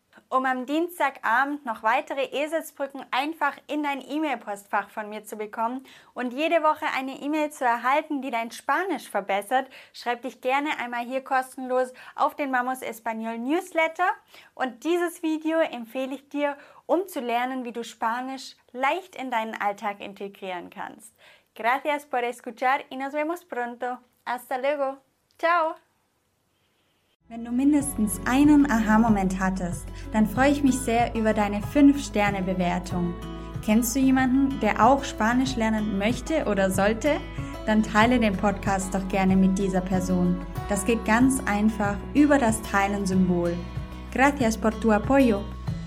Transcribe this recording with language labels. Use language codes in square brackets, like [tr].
[de] Um am Dienstagabend noch weitere Eselsbrücken einfach in dein E-Mail-Postfach von mir zu bekommen und jede Woche eine E-Mail zu erhalten, die dein Spanisch verbessert, schreib dich gerne einmal hier kostenlos auf den Vamos Español Newsletter. Und dieses Video empfehle ich dir, um zu lernen, wie du Spanisch leicht in deinen Alltag integrieren kannst. [es] Gracias por escuchar y nos vemos pronto. Hasta luego. Ciao. [de] Wenn du mindestens einen Aha-Moment hattest, dann freue ich mich sehr über deine 5-Sterne-Bewertung. Kennst du jemanden, der auch Spanisch lernen möchte oder sollte? Dann teile den Podcast doch gerne mit dieser Person. Das geht ganz einfach über das Teilen-Symbol. [es] Gracias por tu apoyo.